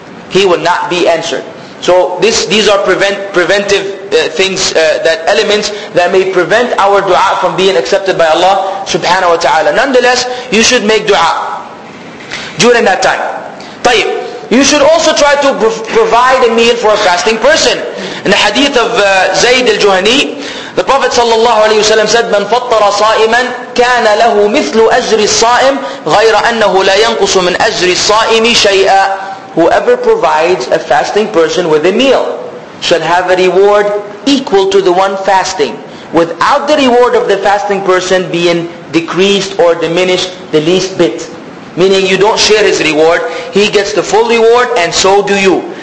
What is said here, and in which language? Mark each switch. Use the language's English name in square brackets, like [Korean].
[English] He will not be answered. So these are preventive elements that may prevent our dua from being accepted by Allah subhanahu wa ta'ala. Nonetheless, you should make dua during that time. [Arabic] طيب, [English] you should also try to provide a meal for a fasting person. In the hadith of Zayd al-Juhani, the Prophet sallallahu alayhi wasallam said, [Arabic] مَنْ فَطَّرَ صَائِمًا كَانَ لَهُ مِثْلُ أَجْرِ الصَّائِمِ غَيْرَ أَنَّهُ لَا يَنْقُصُ مِنْ أَجْرِ الصَّائِمِ شَيْئًا. [English] Whoever provides a fasting person with a meal shall have a reward equal to the one fasting, without the reward of the fasting person being decreased or diminished the least bit. Meaning you don't share his reward, he gets the full reward and so do you.